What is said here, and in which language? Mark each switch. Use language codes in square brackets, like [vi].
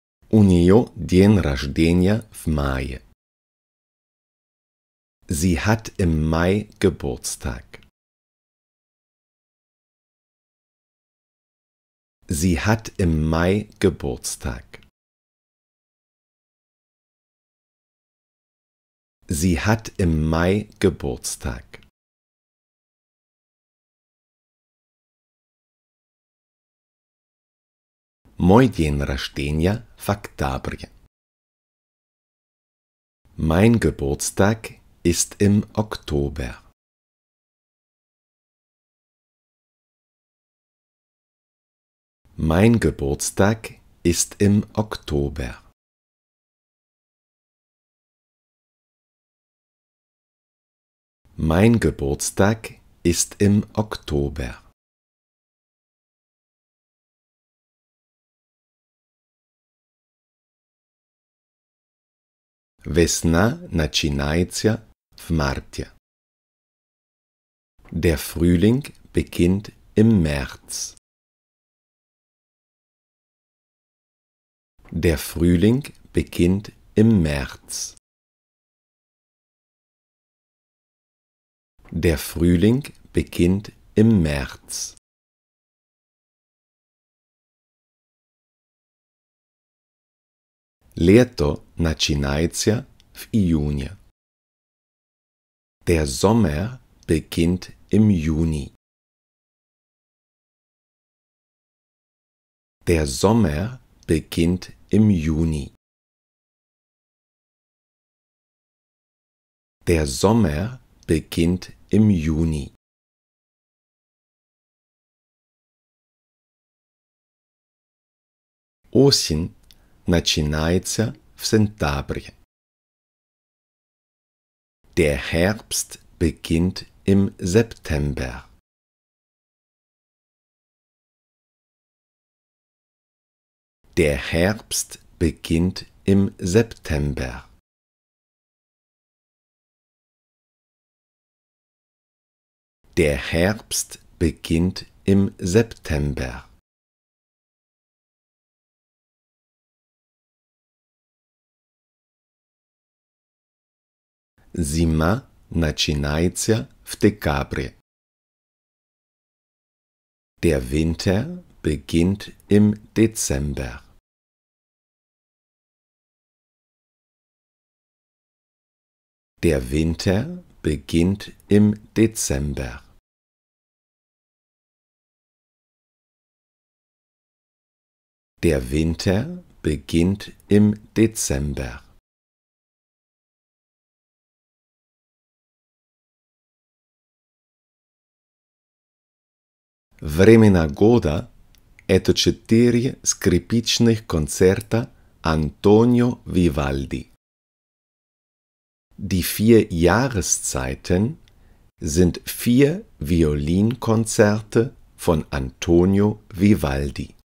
[ru] У неё день рождения в мае. [de] Sie hat im Mai Geburtstag. Sie hat im Mai Geburtstag. Sie hat im Mai Geburtstag. [ru] Мой день рождения в октябре. [de] Mein Geburtstag ist im Oktober. Mein Geburtstag ist im Oktober. Mein Geburtstag ist im Oktober. [ru] Весна начинается в марте. [de] Der Frühling beginnt im März. Der Frühling beginnt im März. Der Frühling beginnt im März. [ru] Лето начинается в июне. [de] Der Sommer beginnt im Juni. Der Sommer beginnt im Juni. Der Sommer beginnt im Juni. [ru] Осень начинается в сентябре. [de] Der Herbst beginnt im September. Der Herbst beginnt im September. Der Herbst beginnt im September. [ru] Зима начинается в декабре. [de] Der Winter beginnt im Dezember. Der Winter beginnt im Dezember. Der Winter beginnt im Dezember. [ru] Времена года – это 4 скрипичных концерта Антонио Вивальди. [de] Die 4 Jahreszeiten sind 4 Violinkonzerte von Antonio Vivaldi.